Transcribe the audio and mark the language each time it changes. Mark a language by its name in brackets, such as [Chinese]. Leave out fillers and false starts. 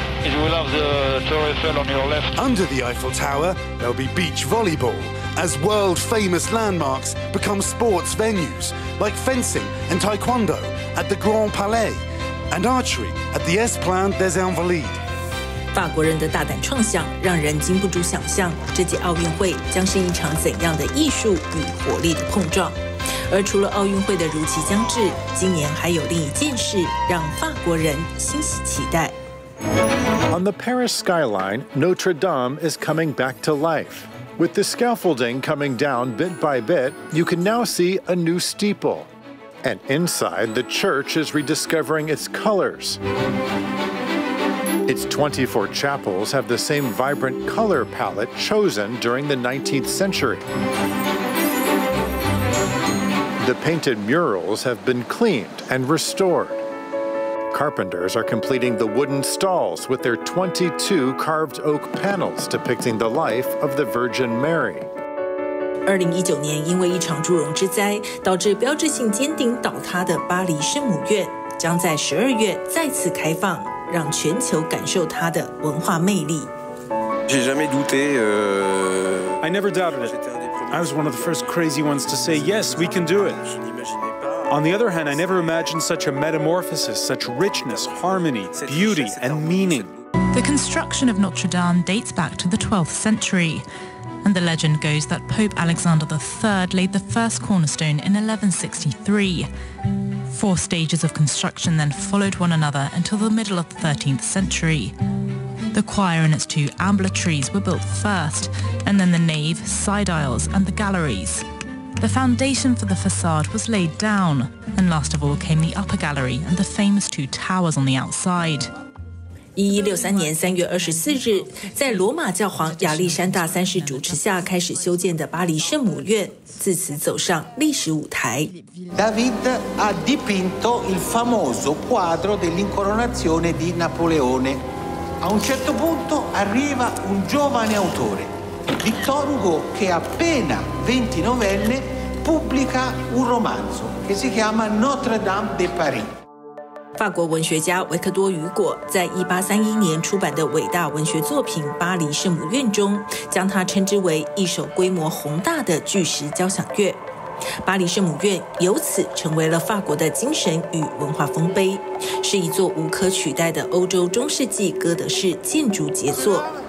[English] is we love the Tour Eiffel on your left. Under the Eiffel Tower, there'll be beach volleyball, as world-famous landmarks become sports venues, like fencing and taekwondo at the Grand Palais, and archery at the Esplanade des Invalides. [Chinese] 法国人的大胆创想让人禁不住想象，这届奥运会将是一场怎样的艺术与活力的碰撞。而除了奥运会的如期将至，今年还有另一件事让法国人欣喜期待。 [English] On the Paris skyline, Notre Dame is coming back to life. With the scaffolding coming down bit by bit, you can now see a new steeple. And inside, the church is rediscovering its colors. Its 24 chapels have the same vibrant color palette chosen during the 19th century. The painted murals have been cleaned and restored. Carpenters are completing the wooden stalls with their 22 carved oak panels depicting the life of the Virgin Mary. [Chinese] 2019年因为一场祝融之灾导致标志性尖顶倒塌的巴黎圣母院将在12月再次开放，让全球感受它的文化魅力。 [French] J'ai jamais douté, [English] I never doubted it. I was one of the first crazy ones to say, yes, we can do it. On the other hand, I never imagined such a metamorphosis, such richness, harmony, beauty, and meaning. The construction of Notre Dame dates back to the 12th century, and the legend goes that Pope Alexander III laid the first cornerstone in 1163. Four stages of construction then followed one another until the middle of the 13th century. The choir and its two ambulatories were built first, and then the nave, side aisles, and the galleries. The foundation for the facade was laid down, and last of all came the upper gallery and the famous two towers on the outside. [Chinese] 1163年3月24日，在罗马教皇亚历山大三世主持下开始修建的巴黎圣母院，自此走上历史舞台。 [Italian] David ha dipinto il famoso quadro dell'incoronazione di Napoleone. A un certo punto arriva un giovane autore. Victor Hugo, che appena 29enne, pubblica un romanzo che si chiama Notre Dame de Paris. [Chinese] 法国文学家维克多·雨果在1831年出版的伟大文学作品《巴黎圣母院》中，将它称之为一首规模宏大的巨石交响乐。巴黎圣母院由此成为了法国的精神与文化丰碑，是一座无可取代的欧洲中世纪哥德式建筑杰作。